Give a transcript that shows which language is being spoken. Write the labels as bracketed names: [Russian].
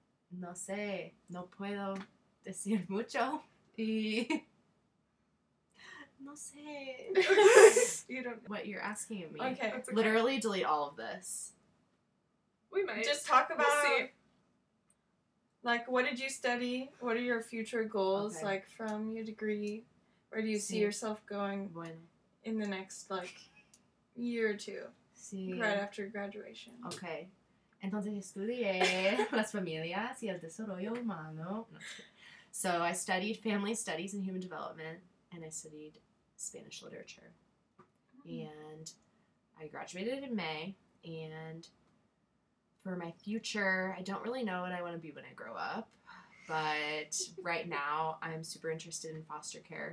[Spanish] No sé, no puedo decir mucho, y no sé. [English] You don't know. What you're asking of me. Okay. Okay. Literally delete all of this. We might. Just talk about, we'll like, what did you study? What are your future goals, okay. like, from your degree? Where do you [Spanish] sí. [English] see yourself going [Spanish] bueno. [English] In the next, like, year or two? [Spanish] Sí. [English] Right after graduation. Okay. [Spanish] Entonces estudié las familias y el desarrollo humano. [English] So I studied family studies and human development, and I studied Spanish literature. Mm-hmm. And I graduated in May, and for my future, I don't really know what I want to be when I grow up, but right now I'm super interested in foster care.